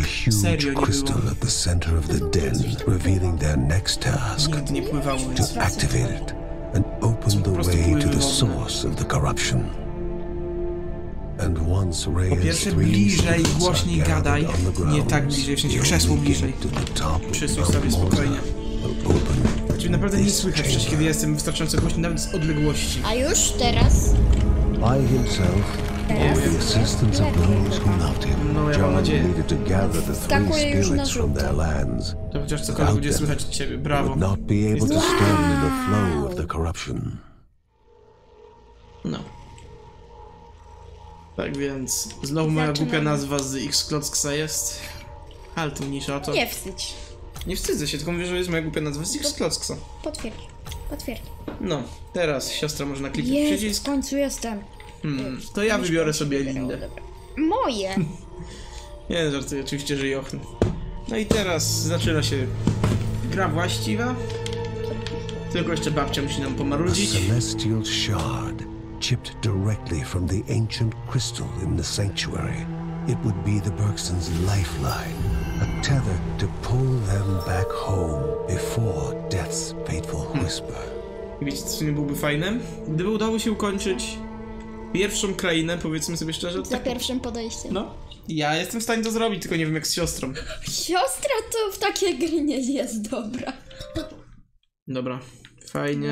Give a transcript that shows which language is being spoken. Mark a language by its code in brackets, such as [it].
[en] the huge crystal at the center of the den, revealing their next task, to activate it and open the way to the source of the corruption. And once Reyes [pl] bliżej, głośniej gadaj. Nie tak bliżej, w sensie krzesło bliżej. Krzesło sobie spokojnie. Czyli naprawdę nie słychać wcześniej, kiedy jestem wystarczająco głośny, nawet z odległości. A już teraz? [en] By himself, with the assistance of those who loved him, John needed to gather the three spirits from their lands. [pl] To chociaż cokolwiek będzie słychać od ciebie, brawo. [en] Would not be able to stem the flow of the corruption. [pl] No. Tak więc, znowu moja głupia nazwa z X Klocksa jest, ale to mniejsza o to. Nie wstydź. Nie wstydzę się, tylko mówię, że jest moja głupia nazwa z X Klocksa. Potwierdź, potwierdź. No, teraz siostra może naklikać jest, przycisk. Jest, w końcu jestem. To ja wybiorę sobie Lindę. Moje! Nie, żartuję, oczywiście, że Jochen. No i teraz zaczyna się gra właściwa. Tylko jeszcze babcia musi nam pomarudzić. [en] Celestial Shard. Chipped directly from the ancient crystal in the sanctuary. It would be the Bergsons' lifeline, a tether to pull them back home before death's fateful whisper. [pl] I wiecie, co nie byłoby fajne? Gdyby udało się ukończyć pierwszą krainę, powiedzmy sobie szczerze. Za pierwszym podejściem. No. Ja jestem w stanie to zrobić, tylko nie wiem jak z siostrą. Siostra to w takiej gry nie jest dobra. Dobra. Fajnie.